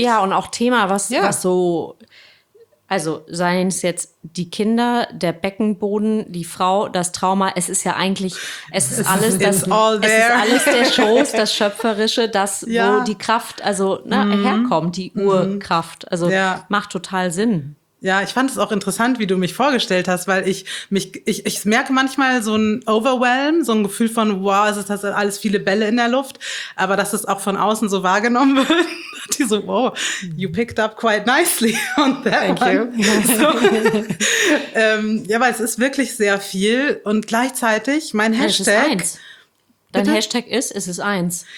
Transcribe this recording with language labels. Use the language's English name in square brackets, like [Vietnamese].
[German] Thema, und auch Thema, was so, also seien es jetzt die Kinder, der Beckenboden, die Frau, das Trauma, es ist ja eigentlich, es ist alles, es ist alles der Schoß, das Schöpferische, das, wo die Kraft, also herkommt, die Urkraft. Also macht total Sinn. Ja, ich fand es auch interessant, wie du mich vorgestellt hast, weil ich merke manchmal so ein Overwhelm, so ein Gefühl von, wow, es ist das alles viele Bälle in der Luft, aber dass es auch von außen so wahrgenommen wird. Die so, [English] wow, you picked up quite nicely on that one. Thank you. So, [German] weil es ist wirklich sehr viel und gleichzeitig mein Hashtag. Es ist eins. Dein Hashtag ist, es ist eins.